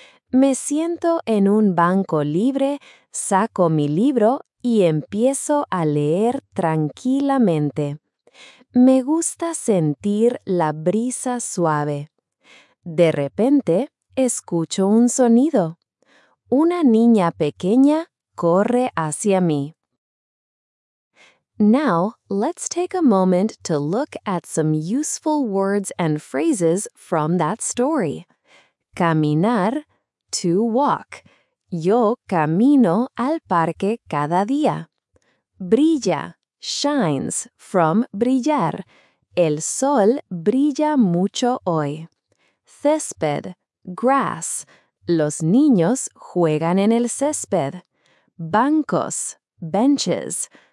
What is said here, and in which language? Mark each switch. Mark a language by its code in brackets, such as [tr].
[es] Me siento en un banco libre, saco mi libro y empiezo a leer tranquilamente. Me gusta sentir la brisa suave. De repente, escucho un sonido. Una niña pequeña corre hacia mí. [en] Now, let's take a moment to look at some useful words and phrases from that story. Caminar, to walk. [es] Yo camino al parque cada día. [en] Brilla, shines, from brillar. [es] El sol brilla mucho hoy. Césped, grass. Los niños juegan en el césped. Bancos, benches.